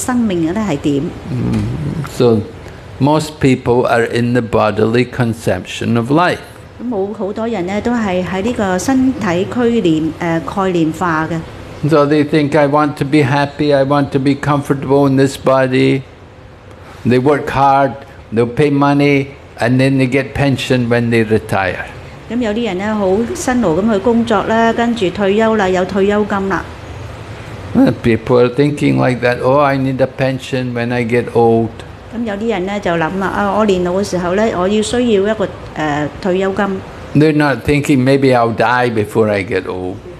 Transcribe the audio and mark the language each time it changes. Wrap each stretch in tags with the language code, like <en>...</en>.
<zh>他们只是去研究这一生应该有什么，或者他们的生命是怎样。</zh> <en>So most people are in the bodily conception of life.</en> <zh>很多人都是在这个身体概念化的。</zh> <en>So they think, I want to be happy, I want to be comfortable in this body. They work hard, they'll pay money, and then they get pension when they retire.</en> <zh>有些人很辛劳地去工作，接着退休了，有退休金了。</zh> <en>People are thinking like that, oh, I need a pension when I get old.</en> <zh>有些人就想，我年老的时候，我需要一个退休金。</zh> <en>They're not thinking, maybe I'll die before I get old.</en>